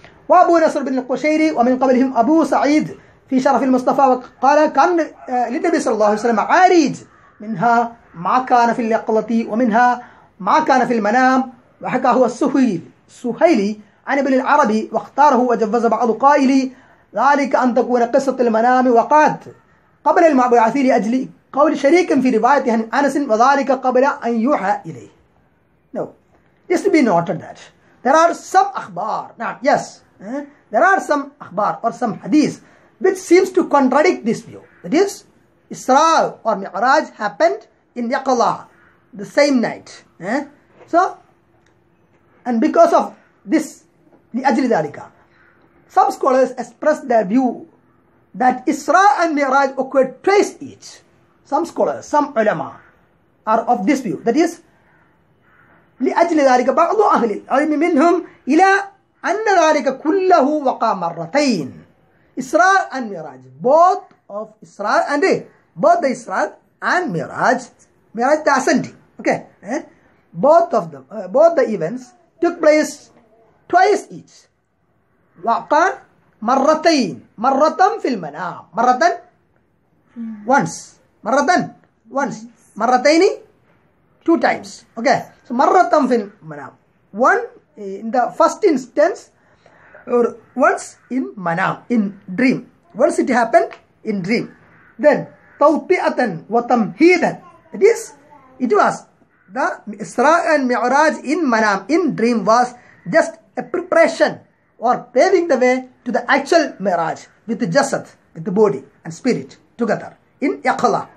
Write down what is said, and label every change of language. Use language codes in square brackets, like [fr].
[ar] وأبو نصر بن القشيري ومن قبلهم أبو سعيد في شرف المصطفى وقال كان للنبي صلى الله عليه وسلم عاريج منها ما كان في اليقظة ومنها ما كان في المنام وحكاه السهيلي عن ابن العربي واختاره وجوز بعض قائلي ذلك أن تكون قصة المنام وقعت قبل المبعث لأجل قول شريك في روايته عن أنس وذلك قبل أن يوحى إليه. [en] No, just be noted that there are some أخبار. Now, yes, there are some أخبار or some hadith which seems to contradict this view. That is, Isra or Mi'raj happened in Yaqala, the same night. So, and because of this, لأجل ذلك, some scholars expressed their view that Isra and Mi'raj occurred twice each. Some scholars, some ulama are of this view. That is, [ar] لأجل ذلك بعض أهل العلم منهم إلى أن ذلك كله وقع مرتين. [en] Isra and Mi'raj, both of Isra and the, both the Isra and Mi'raj, Mi'raj the ascending. Okay, both of them, both the events took place twice each. [ar] وقال مرتين مرتان في المنام مرتان once مرتان once مرتين [en] two times. Okay, so [ar] مرتان في المنام [en] one in the first instance or once in manam, in dream, once it happened in dream, then tawti'atan wa tamhidan, that is it was the Isra and Mi'raj in manam, in dream, was just a preparation or paving the way to the actual Mi'raj with the jasad, with the body and spirit together in Yaqala.